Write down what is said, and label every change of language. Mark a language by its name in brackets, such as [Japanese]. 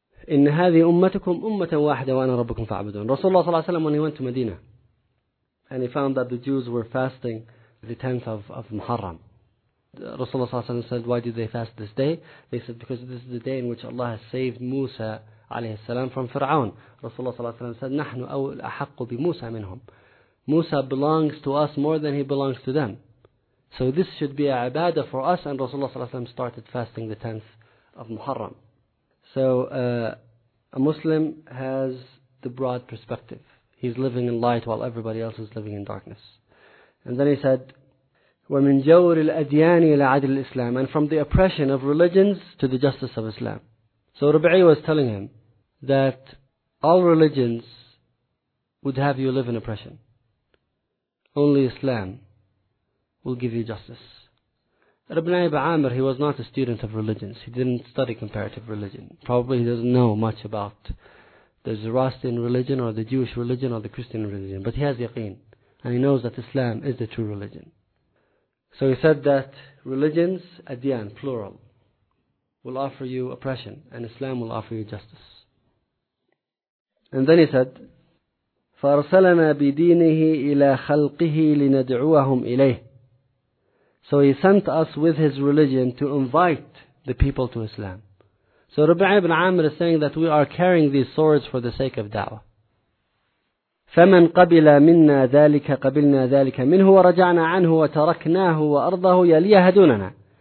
[Arabic] إِنَّ هَذِهِ أُمَّتُكُمْ أُمَّةً وَاحِدَةً وَأَنَا رَبُّكُمْ فَعَبَدُونَ. [English] Rasulullah sallallahu alayhi wa sallam, when he went to Medina, and he found that the Jews were fasting the 10th of Muharram. Rasulullah said, why did they fast this day? They said, because this is the day in which Allah has saved Musa alayhi salam from Fir'aun. Rasulullah said, [Arabic] نَحْنُ أَوْلَ أَحَقُّ بِمُوسَى مِنْهُمْ. [English] Musa belongs to us more than he belongs to them. So this should be a ibadah for us. And Rasulullah started fasting the 10th of Muharram. So a Muslim has the broad perspective. He's living in light while everybody else is living in darkness. And then he said, [Arabic] وَمِنْ جَوْرِ الْأَدْيَانِ إِلَىٰ عَدْلِ الْإِسْلَامِ. [English] And from the oppression of religions to the justice of Islam. So Rabi'i was telling him that all religions would have you live in oppression. Only Islam will give you justice. Ibn Ayyub Amr, he was not a student of religions. He didn't study comparative religion. Probably he doesn't know much about the Zoroastrian religion or the Jewish religion or the Christian religion. But he has yaqeen. And he knows that Islam is the true religion. So he said that religions, adyan, plural, will offer you oppression. And Islam will offer you justice. And then he said, [Arabic] فَأَرْسَلَنَا بِدِينِهِ إِلَىٰ خَلْقِهِ لِنَدْعُوَهُمْ إِلَيْهِ. [English] So he sent us with his religion to invite the people to Islam. So Rabi'ah ibn Amr is saying that we are carrying these swords for the sake of da'wah. [Arabic] فَمَنْ قَبِلَ مِنَّا ذَلِكَ قَبِلْنَا ذَلِكَ مِنْهُ وَرَجَعْنَا عَنْهُ وَتَرَكْنَاهُ وَأَرْضَهُ يَلِيَهَ دُونَنَا.